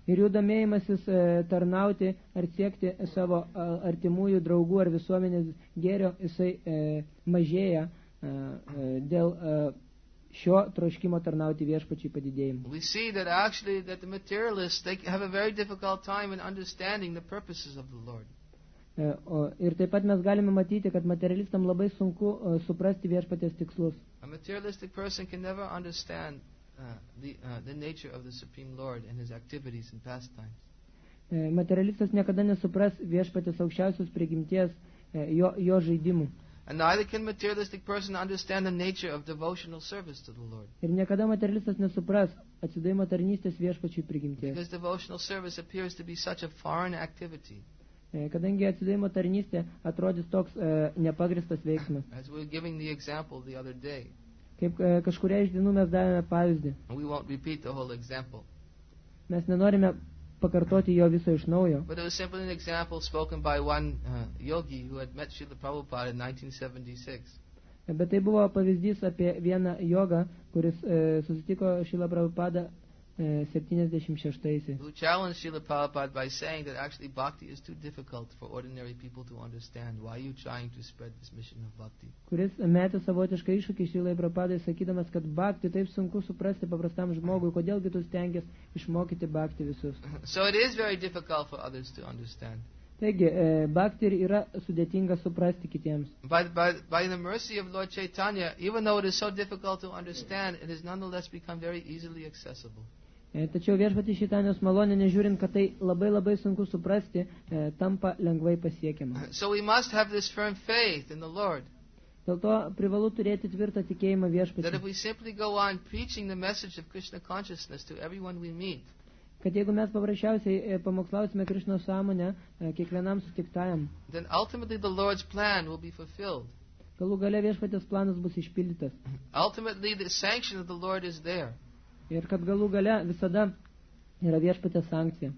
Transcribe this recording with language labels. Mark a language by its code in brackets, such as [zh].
[lt] Ir jų domėjimasis tarnauti ar siekti savo artimųjų draugų ar visuomenės gėrio, jisai mažėja dėl šio troškimo tarnauti viešpačiui padidėjimu. [en] We see that actually that the materialists they have a very difficult time in understanding the purposes of the Lord. [lt] Ir taip pat mes galime matyti, kad materialistam labai sunku suprasti viešpaties tikslus. [en] A materialistic person can never understand the nature of the Supreme Lord and his activities and pastimes. [lt] Materialistas niekada nesupras viešpaties aukščiausios prigimties jo žaidimų. [en] And neither can materialistic person understand the nature of devotional service to the Lord. [lt] Ir niekada materialistas nesupras atsidavimo tarnystės viešpačiui prigimties. [en] Because devotional service appears to be such a foreign activity. [lt] Kadangi atsidavimo tarnystė atrodys toks nepagristas veiksmas. [en] As we were giving the example the other day. [lt] Kaip kažkuria iš dienų mes davėme pavyzdį. [en] We won't repeat the whole example. [lt] Mes nenorime pakartoti jo visą iš naujo. [en] But it was simply an example spoken by one yogi who had met Srila Prabhupada in 1976. [lt] Bet tai buvo pavyzdys apie vieną jogą, kuris susitiko Srila Prabhupada 76-aisiais. [en] Who challenged Srila Prabhupada by saying that actually bhakti is too difficult for ordinary people to understand. Why are you trying to spread this mission of bhakti? [lt] Kuris metė savotišką iššūkį Srila Prabhupadai, sakydamas, kad bhakti taip sunku suprasti paprastam žmogui, kodėlgi tu stengias išmokyti bhakti visus. [en] So it is very difficult for others to understand. [lt] Taigi, bhakti yra sudėtinga suprasti kitiems. [en] By the mercy of Lord Chaitanya, even though it is so difficult to understand, it has nonetheless become very easily accessible. [lt] Tačiau viešpatį Šitanios malonė, nežiūrint, kad tai labai labai sunku suprasti, tampa lengvai pasiekiama. [en] So we must have this firm faith in the Lord. [lt] Dėl to privalu turėti tvirtą tikėjimą viešpatį. [en] That if we simply go on preaching the message of Krishna consciousness to everyone we meet, [lt] kad jeigu mes paprasčiausiai pamokslausime Krishna sąmonę kiekvienam sutiktajam, [en] then ultimately the Lord's plan will be fulfilled. [lt] Galų gale viešpatės planas bus išpildytas. [en] Ultimately the sanction of the Lord is there. [lt] Ir kad galų gale visada yra viešpatės sankcija.